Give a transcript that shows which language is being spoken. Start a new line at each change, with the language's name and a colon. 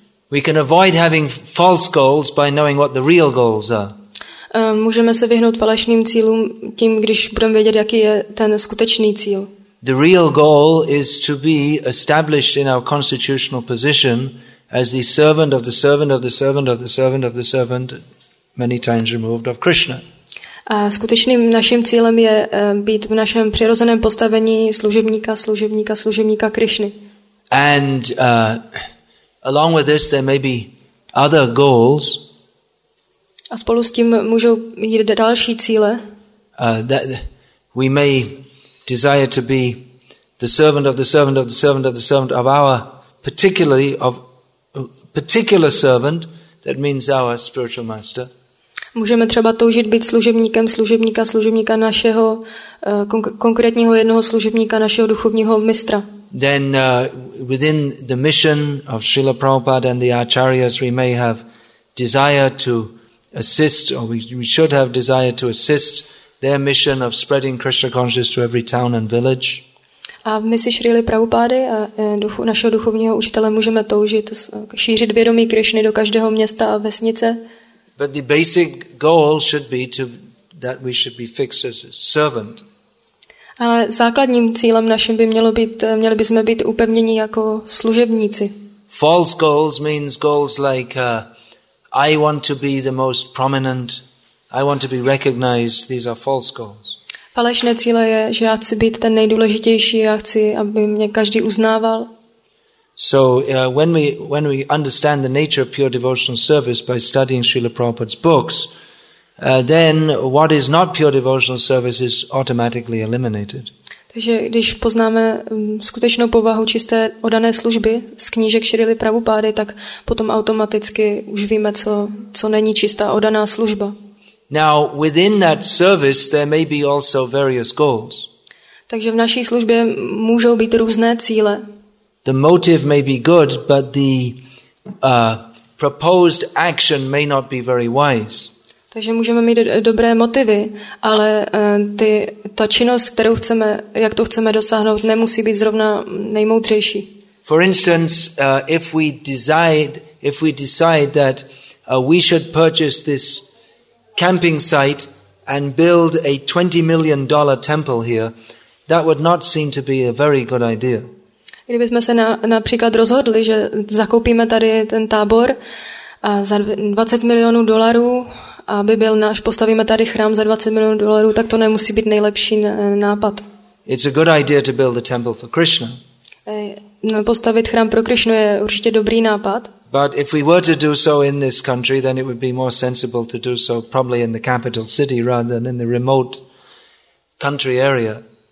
English: We can avoid having false goals by knowing what the real goals are.
Czech: Můžeme se vyhnout falešným cílům tím, když budeme vědět, jaký je ten skutečný cíl.
English: The real goal is to be established in our constitutional position as the servant of the servant of the servant of the servant of the servant, many times removed, of Krishna.
Czech: A skutečným naším cílem je být v našem přirozeném postavení služebníka, služebníka, služebníka Krišny.
English: And along with this there may be other goals.
Czech: A spolu s tím můžou jít další cíle.
English: That we may desire to be the servant of the servant of the servant of the servant of our particularly of particular servant, that means our spiritual master.
Czech: Můžeme třeba toužit být služebníkem služebníka služebníka našeho konkrétního jednoho služebníka našeho duchovního mistra.
English: Then within the mission of Srila Prabhupada and the acharyas we may have desire to assist or we should have desire to assist their mission of spreading Krishna consciousness to every town and village.
Czech: A v misi Srily Prabhupády a našeho duchovního učitele můžeme toužit šířit vědomí Krišny do každého města a vesnice.
English: But the basic goal should be to that we should be fixed as a servant.
Czech: Ale základním cílem našim by mělo být, měli bychom být upevněni jako služebníci.
English: False goals means goals like I want to be the most prominent, I want to be recognized. These are false goals.
Czech: Falešné cíle je, že já chci být ten nejdůležitější, já chci, aby mě každý uznával.
English: So when we understand the nature of pure devotional service by studying Srila Prabhupada's books, then what is not pure devotional service is automatically eliminated.
Czech: Takže když poznáme skutečnou povahu čisté oddané služby z knížek Šrily Prabhupády, tak potom automaticky už víme, co není čistá oddaná služba.
English: Now within that service there may be also various goals.
Czech: Takže v naší službě můžou být různé cíle.
English: The motive may be good, but the proposed action may not be very wise.
Czech: Takže můžeme mít dobré motivy, ale ta činnost, kterou chceme, jak to chceme dosáhnout, nemusí být zrovna nejmoudřejší.
English: For instance, if we decide that we should purchase this camping site and build a $20 million temple here, that would not seem to be a very good idea.
Czech: Kdybychom se například rozhodli, že zakoupíme tady ten tábor a za $20 million, aby byl náš, postavíme tady chrám za $20 million, tak to nemusí být nejlepší nápad.
English: It's a good idea to build a temple for Krishna.
Czech: Postavit chrám pro Krishnu je určitě dobrý nápad.
English: But if we were to do so in this country, then it would be more sensible to do so probably in the capital city rather than in the remote country area.